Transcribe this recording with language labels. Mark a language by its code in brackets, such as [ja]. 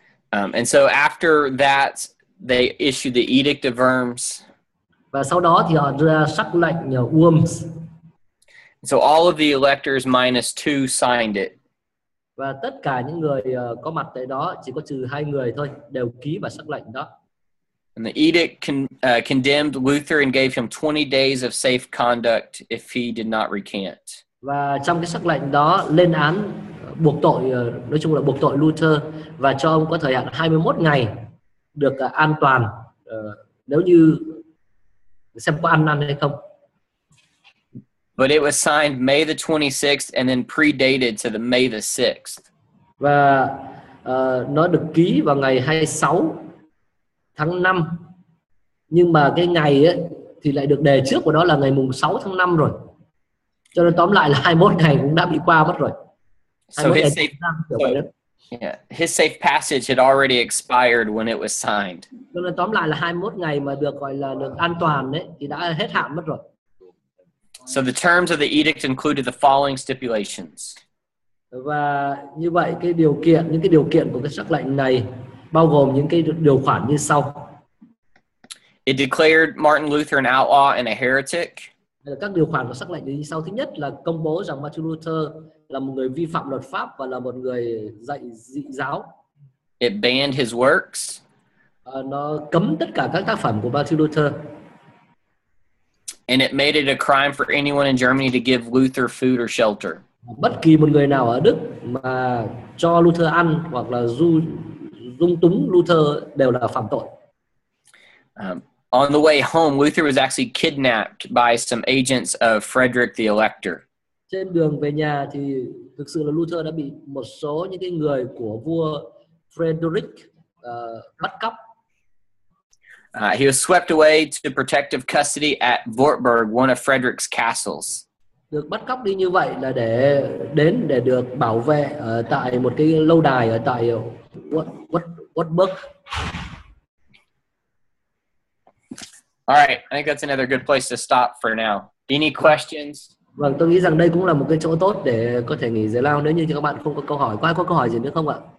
[en] And so after that, they issued the Edict of Worms. [vi] Và sau đó thì họ ra sắc lệnh nhờ Worms. [en] And so all of the electors minus two signed it. [vi] Và tất cả những người có mặt tại đó, chỉ có trừ hai người thôi, đều ký vào sắc lệnh đó. [en] And the edict condemned Luther and gave him 20 days of safe conduct if he did not recant. [vi] Và trong cái sắc lệnh đó lên án buộc tội, nói chung là buộc tội Luther và cho ông có thời hạn 21 ngày được an toàn nếu như xem có ăn năn hay không. [en] But it was signed May the 26th and then predated to the May the 6th. [vi] Và nó được ký vào ngày 26 tháng 5. Nhưng mà cái ngày ấy thì lại được đề trước của đó là ngày mùng 6 tháng 5 rồi. Cho nên tóm lại là 21 ngày cũng đã bị qua mất rồi. [en] So his safe, his safe passage had already expired when it was signed. [vi] Cho nên tóm lại là 21 ngày mà được gọi là được an toàn ấy thì đã hết hạn mất rồi. [en] So the terms of the edict included the following stipulations. [vi] Và như vậy cái điều kiện, những cái điều kiện của cái sắc lệnh này bao gồm những cái điều khoản như sau. [en] It declared Martin Luther an outlaw and a heretic. [vi] Các điều khoản của sắc lệnh như sau. Thứ nhất là công bố rằng Martin Luther là một người vi phạm luật pháp và là một người dạy dị giáo. [en] It banned his works. [vi] Nó cấm tất cả các tác phẩm của Martin Luther. [en] And it made it a crime for anyone in Germany to give Luther food or shelter. [vi] Bất kỳ một người nào ở Đức mà cho Luther ăn hoặc là dung túng Luther đều là phạm tội. [en] On the way home, Luther was actually kidnapped by some agents of Frederick the Elector. [vi] Trên đường về nhà thì thực sự là Luther đã bị một số những cái người của vua Frederick bắt cóc. [en] He was swept away to protective custody at Wartburg, one of Frederick's castles. [vi] được bắt cóc đi như vậy là để đến để được bảo vệ ở tại một cái lâu đài ở tại Woodburg. [en] All right, I think that's another good place to stop for now. Any questions? [vi] Vâng, tôi nghĩ rằng đây cũng là một cái chỗ tốt để có thể nghỉ giải lao nếu như các bạn không có câu hỏi. Có ai có câu hỏi gì nữa không ạ?